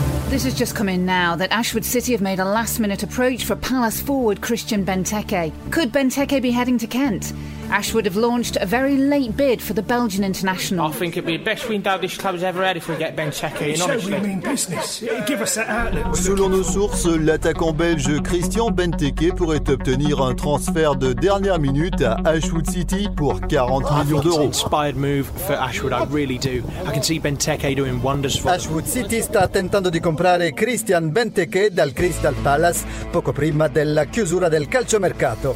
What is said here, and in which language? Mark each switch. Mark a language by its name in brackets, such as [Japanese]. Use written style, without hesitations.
[English] This has just come in now that Ashwood City have made a last-minute approach for Palace forward Christian Benteke. Could Benteke be heading to Kent? Ashwood have launched a very late bid for the Belgian international. I think it'd be the best window this club's ever had if we get Benteke in, honestly. Show we mean business. Give us that outlet. [French] Selon nos sources, l'attaquant belge Christian Benteke pourrait obtenir un transfert de dernière minute à Ashwood City pour 40 millions d'euros. [English] It's an inspired move for Ashwood, I really do. I can see Benteke doing wonders for [Italian] Ashwood City sta tentando di comprare Christian Benteke dal Crystal Palace poco prima della chiusura del calciomercato.